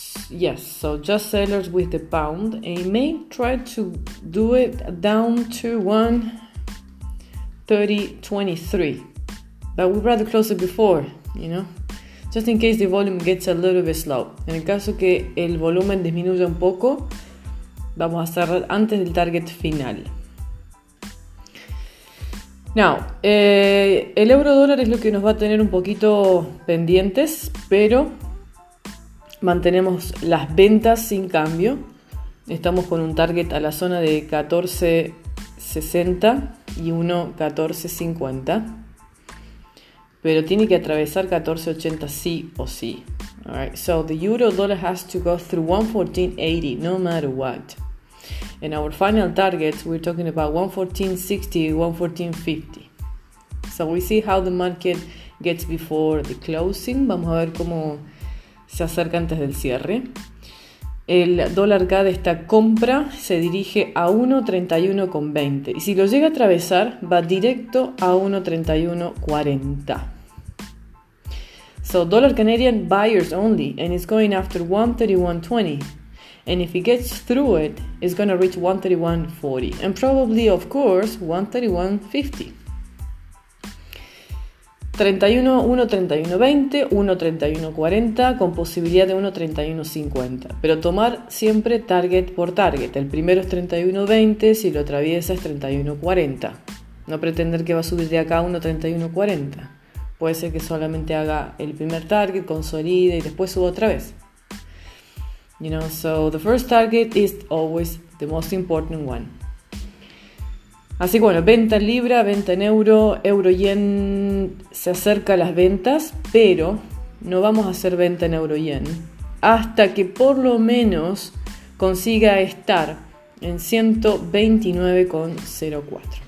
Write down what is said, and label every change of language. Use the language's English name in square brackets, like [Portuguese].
[English] Yes, so just sellers with the pound, and may try to do it down to 1.3023, but we'd rather close it before, you know, just in case the volume gets a little bit slow. [Spanish] En el caso que el volumen disminuya un poco, vamos a cerrar antes del target final. Now, el euro dólar es lo que nos va a tener un poquito pendientes, pero mantenemos las ventas sin cambio. Estamos con un target a la zona de 14.60 y 1.1450. Pero tiene que atravesar 14.80 sí o sí. [English] Alright, so the euro dollar has to go through 1.1480 no matter what. And our final targets, we're talking about 1.1460, 1.1450. So we see how the market gets before the closing. [Spanish] Vamos a ver cómo se acerca antes del cierre. El dólar CAD de esta compra se dirige a 1.3120. Y si lo llega a atravesar, va directo a 1.3140. [English] So dollar Canadian buyers only, and it's going after 1.3120. And if it gets through it, it's going to reach 1.3140. And probably, of course, 1.3150. [Spanish] 1.3120, 1.3140, con posibilidad de 1.3150. Pero tomar siempre target por target. El primero es 31.20, si lo atraviesa es 31.40. No pretender que va a subir de acá a 1.3140. Puede ser que solamente haga el primer target, consolide y después suba otra vez. [English] You know, so the first target is always the most important one. [Spanish] Así que bueno, venta en libra, venta en euro, euro yen se acerca a las ventas, pero no vamos a hacer venta en euro yen hasta que por lo menos consiga estar en 129.04.